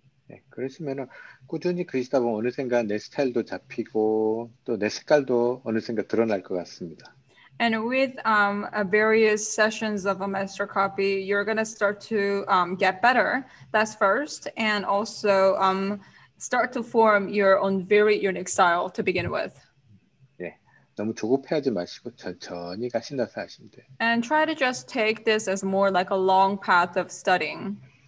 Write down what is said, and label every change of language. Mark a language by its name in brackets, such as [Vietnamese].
[Korean] 네, 그러시면 꾸준히 그리시다 보면 어느샌가 내 스타일도 잡히고 또 내 색깔도 어느샌가 드러날 것 같습니다. [English] And with various sessions of a master copy, you're going to start to get better. That's first. And also start to form your own very unique style to begin with. [Korean] 네, 너무 조급해하지 마시고 천천히 가신다고 하시면 돼요. [English] And try to just take this as more like a long path of studying.